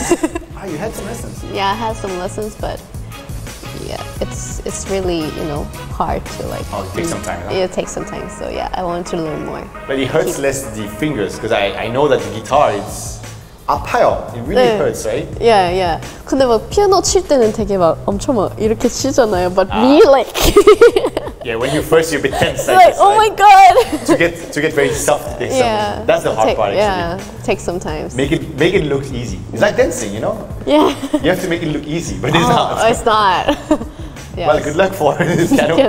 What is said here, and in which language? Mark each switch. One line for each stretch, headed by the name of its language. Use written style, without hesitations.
English: Oh, you had some lessons. Yeah, I had some lessons, but yeah, it's really, you know, hard to like. Oh, it takes some time. Huh? It takes some time, so yeah, I want to learn more. But it hurts less the fingers, because I know that the guitar is
Korean: 아파요.
English: It really 네. hurts, right? Yeah, yeah.
Korean: 근데 막 피아노 칠 때는 되게 막 엄청 막 이렇게 치잖아요.
English: But me like. Yeah, when you first you're a bit tense. Like oh my god. To get very soft. Yeah. That's the hard part actually. Yeah. Take some time. Make it look easy. It's like dancing, you know? Yeah. You have to make it look easy, but it's not. Oh, it's not. Yes. Well, good luck for this piano.